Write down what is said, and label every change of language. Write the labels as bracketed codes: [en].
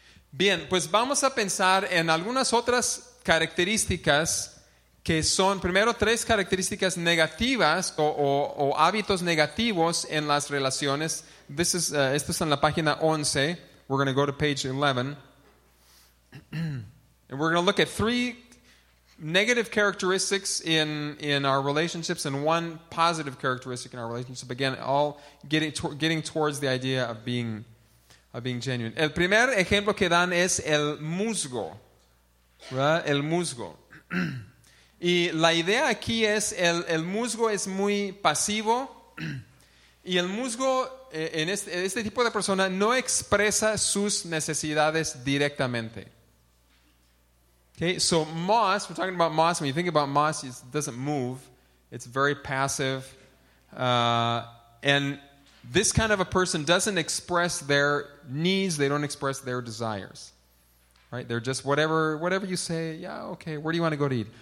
[es] Bien, pues vamos a pensar en algunas otras características que son, primero, tres características negativas o hábitos negativos en las relaciones. [en] This is, [es] esto es en la página 11. [en] We're going to go to page 11. And we're going to look at three negative characteristics in our relationships and one positive characteristic in our relationship. Again, all getting towards the idea of being genuine. [es] El primer ejemplo que dan es el musgo, ¿verdad? El musgo. Y la idea aquí es, el musgo es muy pasivo, y el musgo, en este tipo de persona, no expresa sus necesidades directamente. [en] Okay, so moss, we're talking about moss, when you think about moss, it doesn't move, it's very passive, and this kind of a person doesn't express their needs, they don't express their desires, right? They're just whatever you say, yeah, okay, where do you want to go to eat?